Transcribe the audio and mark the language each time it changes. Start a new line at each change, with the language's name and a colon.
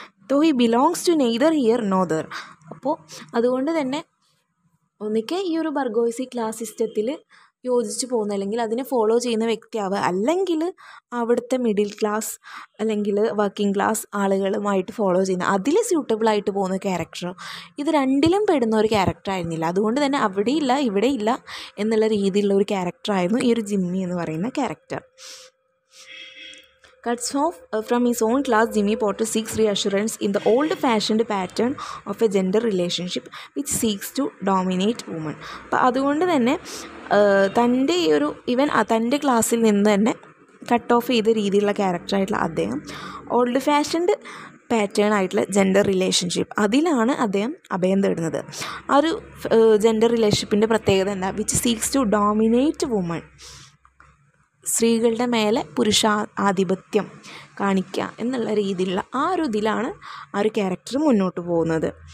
English: Though he belongs to neither here nor there.
Malayalam: അപ്പോൾ അതുകൊണ്ട് തന്നെ ഒന്നിക്കെ ഈ ഒരു ബർഗോയിസി ക്ലാസ് സിസ്റ്റത്തിൽ യോജിച്ച് പോകുന്ന അല്ലെങ്കിൽ അതിനെ ഫോളോ ചെയ്യുന്ന വ്യക്തിയാവുക, അല്ലെങ്കിൽ അവിടുത്തെ മിഡിൽ ക്ലാസ് അല്ലെങ്കിൽ വർക്കിംഗ് ക്ലാസ് ആളുകളുമായിട്ട് ഫോളോ ചെയ്യുന്ന അതിൽ സ്യൂട്ടബിളായിട്ട് പോകുന്ന ക്യാരക്ടർ, ഇത് രണ്ടിലും പെടുന്ന ഒരു ക്യാരക്ടർ ആയിരുന്നില്ല. അതുകൊണ്ട് തന്നെ അവിടെയില്ല ഇവിടെയില്ല എന്നുള്ള രീതിയിലുള്ള ഒരു ക്യാരക്ടറായിരുന്നു ഈ ഒരു ജിമ്മി എന്ന് പറയുന്ന character.
English: cuts off from his own class, Jimmy Potter seeks reassurance in the old-fashioned pattern of a gender relationship which seeks to dominate women.
Malayalam: അപ്പോൾ അതുകൊണ്ട് തന്നെ തൻ്റെ ഈ ഒരു ഇവൻ തൻ്റെ ക്ലാസ്സിൽ നിന്ന് തന്നെ കട്ട് ഓഫ് ചെയ്ത രീതിയിലുള്ള ക്യാരക്ടറായിട്ടുള്ള അദ്ദേഹം ഓൾഡ് ഫാഷൻഡ് പാറ്റേൺ ആയിട്ടുള്ള ജെൻഡർ റിലേഷൻഷിപ്പ് അതിലാണ് അദ്ദേഹം അഭയം തേടുന്നത്. ആ ഒരു ജെൻഡർ റിലേഷൻഷിപ്പിൻ്റെ പ്രത്യേകത എന്താ,
English: which seeks to dominate woman,
Malayalam: സ്ത്രീകളുടെ മേലെ പുരുഷാധിപത്യം കാണിക്കുക എന്നുള്ള രീതിയിലുള്ള ആ ഒരു ഇതിലാണ് ആ ഒരു ക്യാരക്ടർ മുന്നോട്ട് പോകുന്നത്.